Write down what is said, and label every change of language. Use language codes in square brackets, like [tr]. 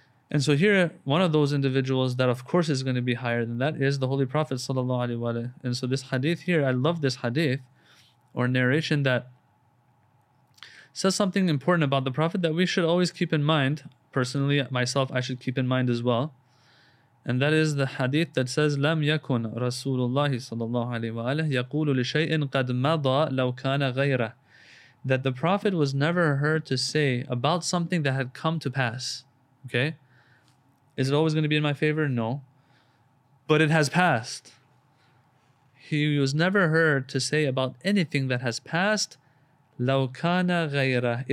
[en] And so here, one of those individuals that of course is going to be higher than that is the Holy Prophet sallallahu alaihi wa sallam. And so this hadith here, I love this hadith or narration that says something important about the Prophet that we should always keep in mind. Personally, myself, I should keep in mind as well. [ar] And that is the hadith that says, لَمْ يَكُنْ رَسُولُ اللَّهِ صَلَى اللَّهُ عَلَيْهِ وَعَلَهِ يَقُولُ لِشَيْءٍ قَدْ مَضَى لَوْ كَانَ غَيْرَهِ. [en] That the Prophet was never heard to say about something that had come to pass. Okay? Is it always going to be in my favor? No. But it has passed. He was never heard to say about anything that has passed, [ar] لَوْ كَانَ غَيْرَهِ.